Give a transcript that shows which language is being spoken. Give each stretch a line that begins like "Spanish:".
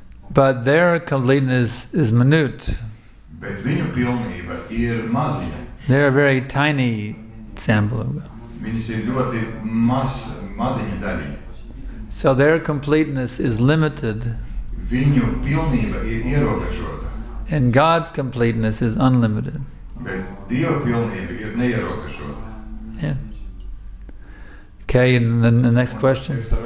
English: But their completeness is minute.
Latvian: Bet viņu pilnība ir maziņa.
English: They are a very tiny sample of God.
Latvian: Viņas ir ļoti maziņa daļiņa.
English: So their completeness is limited.
Latvian: Viņu pilnība ir ierobežota.
English: And God's completeness is unlimited.
Latvian: Bet Dieva pilnība ir neierobežota.
English: Yeah. Okay, and then the next question.